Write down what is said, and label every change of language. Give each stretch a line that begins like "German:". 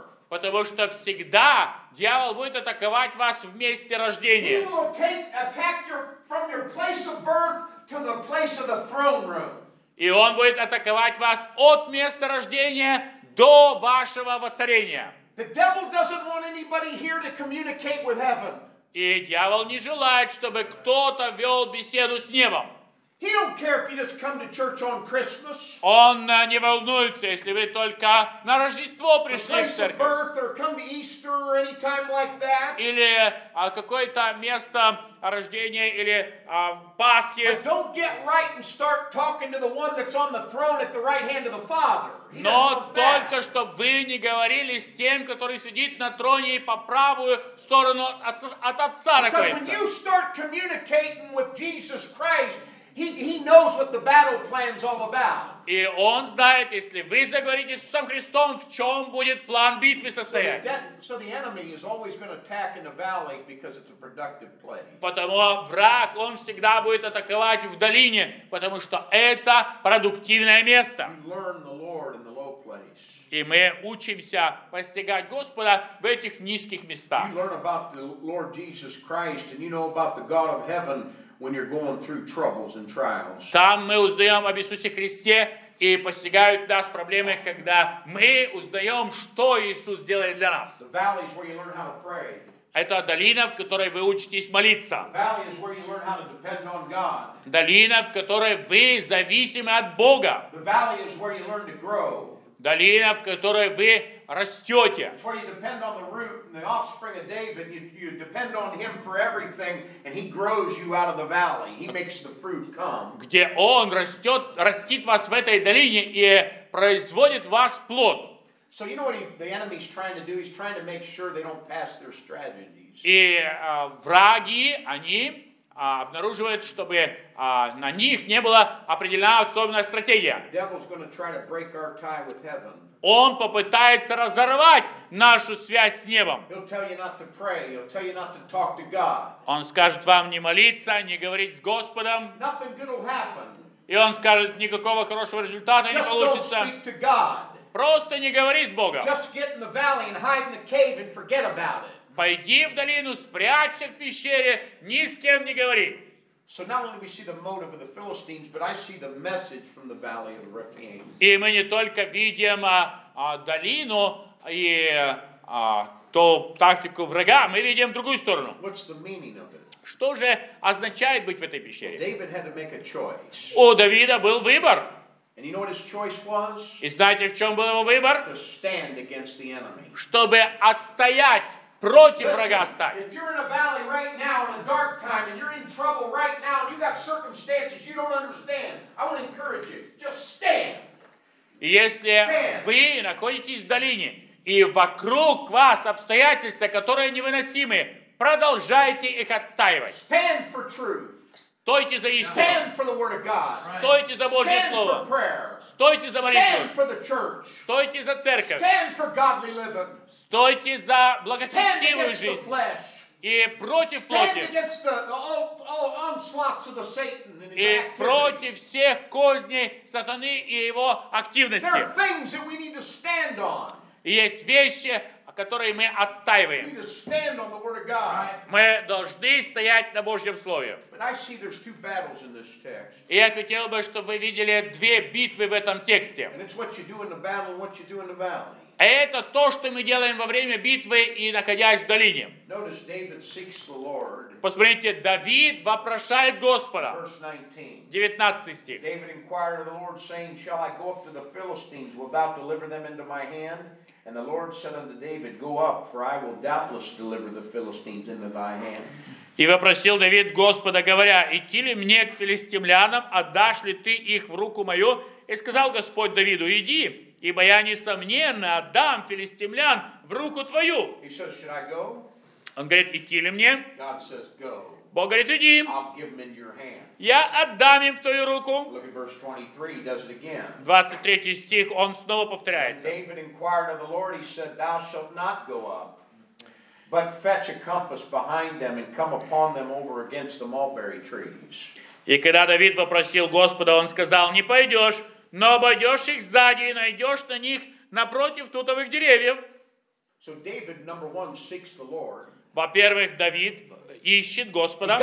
Russian: Потому что всегда дьявол будет атаковать вас в месте рождения. Он будет атаковать вас от места рождения
English: to the place of the throne room.
Russian: И он будет атаковать вас от места рождения до вашего воцарения.
English: The devil doesn't want anybody here to communicate with heaven.
Russian: И дьявол не желает, чтобы кто-то вел беседу с небом.
English: He don't care if you just come to church on Christmas.
Russian: Он не волнуется, если вы только на Рождество пришли в церковь.
English: Place of birth or come to Easter or any time like that.
Russian: Или какое-то место рождения или Пасхи.
English: But don't get right and start talking to the one that's on the throne at the right hand of the Father.
Russian: Но только чтобы вы не говорили с тем, который сидит на троне и по правую сторону от Отца находится.
English: Because when you start communicating with Jesus Christ, He knows what the battle plan's all about.
Russian: И он знает, если вы заговорите с самим Христом, в чем будет план битвы состоять.
English: So the enemy is always going to attack in the valley because it's a productive place.
Russian: Потому враг, он всегда будет атаковать в долине, потому что это продуктивное место.
English: Learn the Lord in the low place.
Russian: И мы учимся постигать Господа в этих низких местах.
English: You learn about the Lord Jesus Christ and you know about the God of heaven. when you're going through troubles and trials.
Russian: Там мы узнаем об Иисусе Христе, и постигают нас проблемы, когда мы узнаем, что Иисус делает для нас.
English: The valley is where you learn how to pray.
Russian: Это долина, в которой вы учитесь молиться.
English: Valley is where you learn how to depend on God.
Russian: Долина, в которой вы зависимы от Бога.
English: The valley is where you learn to grow.
Russian: Долина, в которой вы растете.
English: It's where you depend on the root and the offspring of David. You depend on him for everything, and he grows you out of the valley. He makes the fruit come.
Russian: Где он растет, растит вас в этой долине и производит вас плод.
English: So you know what the enemy's trying to do? He's trying to make sure they don't pass their strategies.
Russian: И враги, они обнаруживают, чтобы на них не было определенная особенная стратегия.
English: Devil's going to try to break our tie with heaven.
Russian: Он попытается разорвать нашу связь с небом.
English: He'll tell you not to pray. He'll tell you not to talk to God.
Russian: Он скажет вам не молиться, не говорить с Господом.
English: Nothing good will happen.
Russian: И он скажет, никакого хорошего результата
English: just
Russian: не получится.
English: Don't speak to God.
Russian: Просто не говори с Богом.
English: Just get in the valley and hide in the cave and forget about it.
Russian: Пойди в долину, спрячься в пещере, ни с кем не говори.
English: So not only do we see the motive of the Philistines, but I see the message from the valley of Rephaim.
Russian: И мы не только видим долину и ту тактику врага, мы видим другую сторону.
English: What's the meaning of it?
Russian: Что же означает быть в этой пещере?
English: Well, David had to make a choice.
Russian: У Давида был выбор.
English: And you know what his choice was?
Russian: И знаете, в чем был его выбор?
English: To stand against the enemy.
Russian: Чтобы отстоять против врага стать.
English: If you're in a valley right now in a dark time and you're in trouble right now and you got circumstances you don't understand, I want to encourage you. Just stand.
Russian: Если вы находитесь в долине и вокруг вас обстоятельства, которые невыносимы, продолжайте их отстаивать.
English: Stand for truth.
Russian: Стойте за истину.
English: Stand for the word of God.
Russian: Стойте за Божье
English: Stand
Russian: слово.
English: For prayer.
Russian: Стойте за молитву.
English: Stand for the church.
Russian: Стойте за церковь.
English: Stand for godly living.
Russian: Стойте за благочестивую
English: Stand against
Russian: жизнь.
English: The flesh.
Russian: И против плоти.
English: Stand against the onslaughts of the Satan and his activity.
Russian: И против всех козней сатаны и его активности.
English: There are things that we need to stand on.
Russian: Есть вещи, которые мы отстаиваем.
English: We need to stand on the word of God.
Russian: Мы должны стоять на Божьем Слове.
English: But I see there's two battles in this text.
Russian: И я хотел бы, чтобы вы видели две битвы в этом тексте.
English: And it's what you do in the battle and what you do in the valley.
Russian: А это то, что мы делаем во время битвы и находясь в долине.
English: Notice David seeks the Lord.
Russian: Посмотрите, Давид вопрошает Господа.
English: Verse 19.
Russian: 19 стих.
English: David inquired of the Lord, saying, Shall I go up to the Philistines? Will thou deliver them into my hand? And the Lord said unto David, Go up, for I will doubtless deliver the Philistines into thy hand.
Russian: И вопросил Давид Господа, говоря, Идти ли мне к филистимлянам, отдашь ли ты их в руку мою? И сказал Господь Давиду, Иди. Ибо я, несомненно, отдам филистимлян в руку твою.
English: He says, Should I go?
Russian: Он говорит, идти ли мне?
English: God says, go.
Russian: Бог говорит, иди.
English: I'll give them in your hand.
Russian: Я отдам им в твою руку.
English: Look at verse 23, he does it again.
Russian: 23 стих, он снова повторяется.
English: When David inquired of the Lord, he said, Thou shalt not go up, but fetch a compass behind them and come upon them over against the mulberry trees.
Russian: И когда Давид попросил Господа, он сказал, не пойдешь, но обойдешь их сзади и найдешь на них напротив тутовых деревьев.
English: So David, number one, seeks the Lord.
Russian: Во-первых, Давид ищет Господа.